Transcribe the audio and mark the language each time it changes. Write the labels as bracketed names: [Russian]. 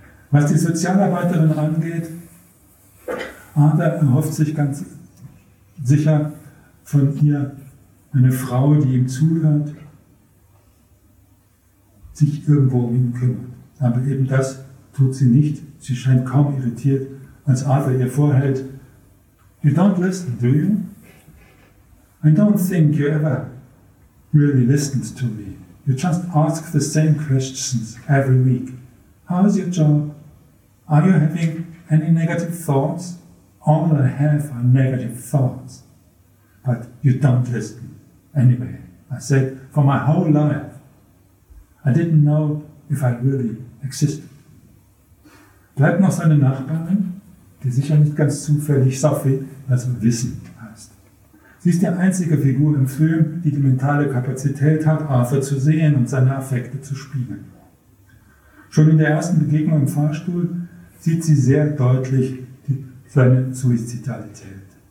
[German] Was die Sozialarbeiterin angeht, Arthur erhofft sich ganz sicher von ihr eine Frau, die ihm zuhört, sich irgendwo um ihn kümmert. Aber eben das tut sie nicht. Sie scheint kaum irritiert, als Arthur ihr vorhält, [English] you don't listen, do you? I don't think you ever really listened to me. You just ask the same questions every week. How is your job? Are you having any negative thoughts? All I have are negative thoughts. But you don't listen anyway. I said, for my whole life, I didn't know if I really existed. [German] Bleibt noch seine Nachbarin, die sicher nicht ganz zufällig Sophie, also Wissen. Sie ist die einzige Figur im Film, die die mentale Kapazität hat, Arthur zu sehen und seine Affekte zu spiegeln. Schon in der ersten Begegnung im Fahrstuhl sieht sie sehr deutlich seine Suizidalität.